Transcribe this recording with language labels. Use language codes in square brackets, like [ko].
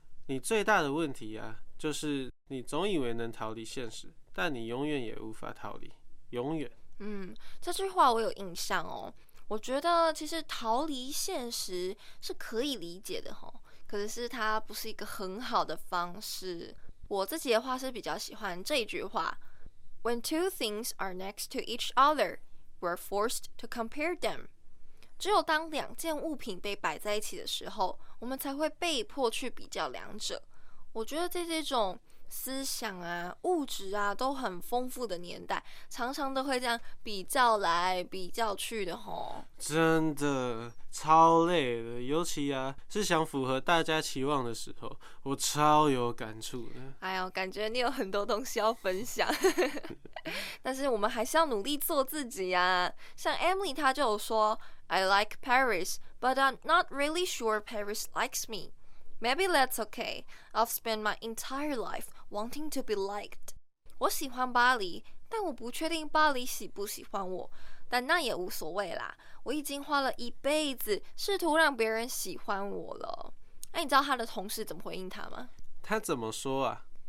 [zh] 你最大的问题啊，就是你总以为能逃离现实，但你永远也无法逃离，永远。这句话我有印象哦。我觉得其实逃离现实是可以理解的哦，可是它不是一个很好的方式。我自己的话是比较喜欢这句话 [en] When two things are next to each other, we're forced to compare them. [zh] 只有当两件物品被摆在一起的时候，我们才会被迫去比较两者。我觉得这种思想啊，物质啊，都很丰富的年代，常常都会这样比较来比较去的吼。真的超累的，尤其啊是想符合大家期望的时候，我超有感触的。哎呦，感觉你有很多东西要分享。但是我们还是要努力做自己啊。像 [en] Emily [zh] 她就有说 [en] I like Paris, but I'm not really sure Paris likes me. Maybe that's okay. I've spent my entire life wanting to be liked. [zh] 我喜欢巴黎，但我不确定巴黎喜不喜欢我，但那也无所谓啦。我已经花了一辈子试图让别人喜欢我了。哎，你知道他的同事怎么回应他吗？他怎么说啊？